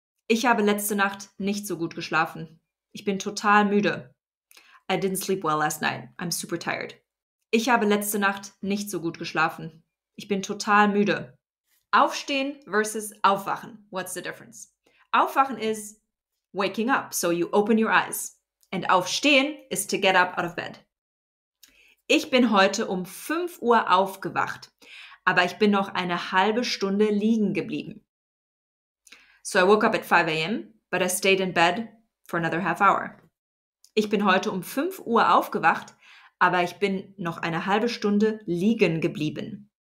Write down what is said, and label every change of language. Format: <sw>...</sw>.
<de>Ich habe letzte Nacht nicht so gut geschlafen. Ich bin total müde.</de> <en>I didn't sleep well last night. I'm super tired.</en> <de>Ich habe letzte Nacht nicht so gut geschlafen. Ich bin total müde. Aufstehen versus aufwachen.</de> <en>What's the difference? Aufwachen is waking up, so you open your eyes. And aufstehen is to get up out of bed.</en> <de>Ich bin heute um 5 Uhr aufgewacht, aber ich bin noch eine halbe Stunde liegen geblieben.</de> <en>So I woke up at 5 a.m., but I stayed in bed for another half hour.</en> <de>Ich bin heute um 5 Uhr aufgewacht, aber ich bin noch eine halbe Stunde liegen geblieben.</de>